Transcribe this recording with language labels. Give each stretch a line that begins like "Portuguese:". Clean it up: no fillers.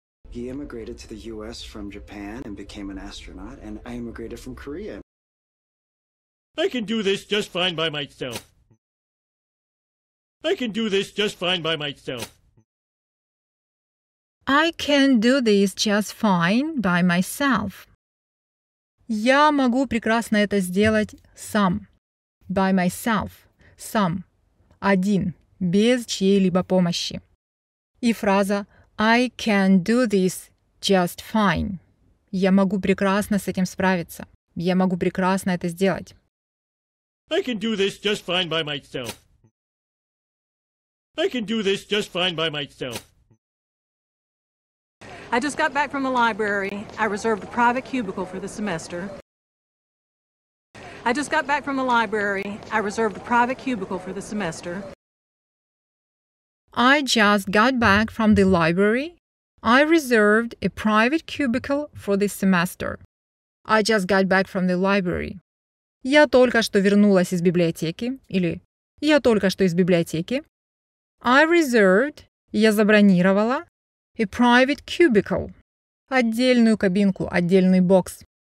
English: He immigrated to the US from Japan and became an astronaut, and I immigrated from Korea. I can do this just fine by myself. I can do this just fine by myself. I can do this just fine by myself.
Russian: Я могу прекрасно это сделать сам.
English: By myself.
Russian: Сам. Один. Без чьей-либо помощи. И фраза
English: I can do this just fine.
Russian: Я могу прекрасно с этим справиться. Я могу прекрасно это сделать.
English: I can do this just fine by myself. I can do this just fine by myself. I just got back from the library. I reserved a private cubicle for the semester. I just got back from the library. I reserved a private cubicle for the semester. I just got back from the library. I reserved a private cubicle for the semester. I just got back from the library.
Russian: Я только что вернулась из библиотеки. Или я только что из библиотеки.
English: I reserved,
Russian: я забронировала,
English: a private cubicle,
Russian: отдельную кабинку, отдельный бокс,